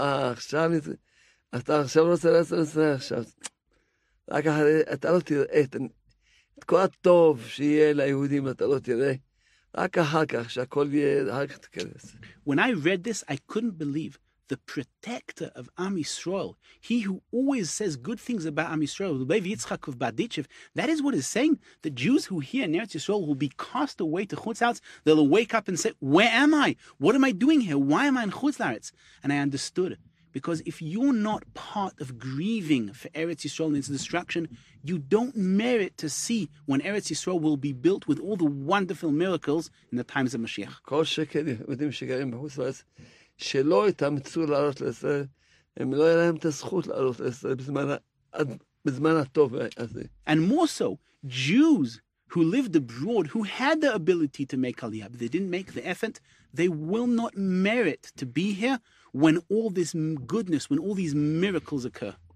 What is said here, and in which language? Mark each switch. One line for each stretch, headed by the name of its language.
Hebrew: עכשיו, אתה עכשיו רוצה לעשות את זה עכשיו. רק אחרי, אתה לא תראה את כל הטוב שיהיה ליהודים, אתה לא תראה. רק אחר כך, שהכל יהיה, רק תכנס.
English: When I read this, I couldn't believe the protector of Am Yisrael, he who always says good things about Am Yisrael, Levi Yitzchak of Baditchev, that is what is saying, the Jews who hear in Eretz Yisrael will be cast away to Chutz La'aretz. They'll wake up and say, where am I? What am I doing here? Why am I in Chutz La'aretz? And I understood, because if you're not part of grieving for Eretz Yisrael and its destruction, you don't merit to see when Eretz Yisrael will be built with all the wonderful miracles in the times of Mashiach.
Hebrew: כל שכן יהודים שגרים בחוץ לארץ, שלא יתאמצו לעלות לישראל, הם לא יהיה להם את הזכות לעלות לישראל בזמן הטוב הזה.
English: And more so, Jews who lived abroad, who had the ability to make Aliyah, but they didn't make the effort, they will not merit to be here when all this goodness, when all these miracles occur.